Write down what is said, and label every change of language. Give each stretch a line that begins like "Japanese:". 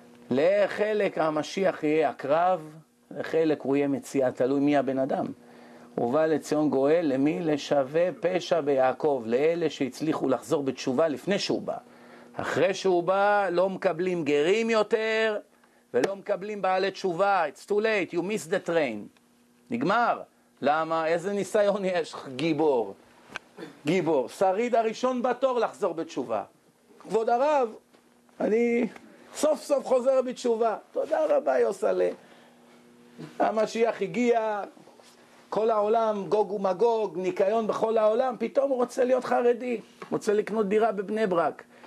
Hebrew: לחלק המשיח יהיה הקרב, לחלק הוא יהיה מציע, תלוי מי הבן אדם. הוא בא לציון גואל, למי? לשווה פשע ביעקב, לאלה שהצליחו לחזור בתשובה לפני שהוא בא. אחרי שהוא בא, לא מקבלים גרים יותר, ולא מקבלים בעלי תשובה.
English: It's too late, you missed the train.
Hebrew: נגמר. למה? איזה ניסיון יש, גיבור? גיבור, שריד הראשון בתור לחזור בתשובה. כבוד הרב, אני סוף סוף חוזר בתשובה. תודה רבה יוסלה. המשיח הגיע, כל העולם גוג ומגוג, ניקיון בכל העולם, פתאום הוא רוצה להיות חרדי, רוצה לקנות דירה בבני ברק.